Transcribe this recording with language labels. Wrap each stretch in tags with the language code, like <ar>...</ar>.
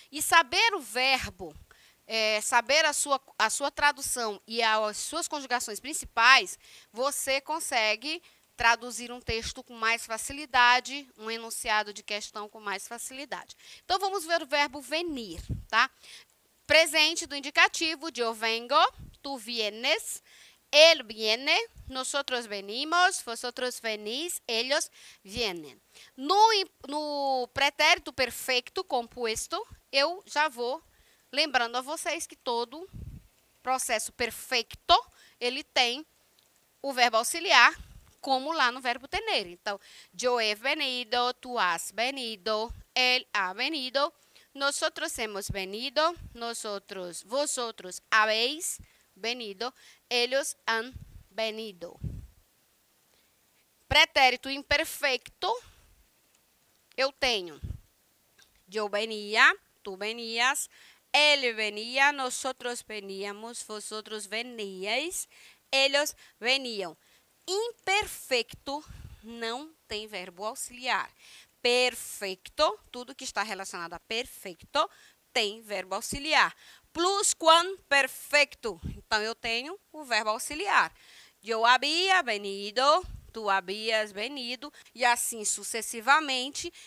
<pt>E saber o verbo, saber a sua tradução e as suas conjugações principais, você consegue traduzir um texto com mais facilidade, um enunciado de questão com mais facilidade. Então, vamos ver o verbo venir, tá? Presente do indicativo,</pt> <es>yo vengo, tú vienes, él viene, nosotros venimos, vosotros venís, ellos vienen.</es> <pt>No pretérito perfeito compuesto, eu já vou lembrando a vocês que todo processo perfeito, ele tem o verbo auxiliar, como lá no verbo tener.</pt> <es>Então, yo he venido, tú has venido, él ha venido. Nosotros hemos venido, vosotros habéis venido, ellos han venido.</es> <pt>Pretérito imperfeito, eu tenho.</pt> <es>Yo venía, tú venías, él venía, nosotros veníamos, vosotros veníais, ellos venían.</es> <pt>Imperfeito não tem verbo auxiliar. Perfeito, tudo que está relacionado a perfeito, tem verbo auxiliar. Plusquamperfeito, então eu tenho o verbo auxiliar.</pt> <es>Eu havia venido, tu habias venido,</es> <pt>e assim sucessivamente.</pt>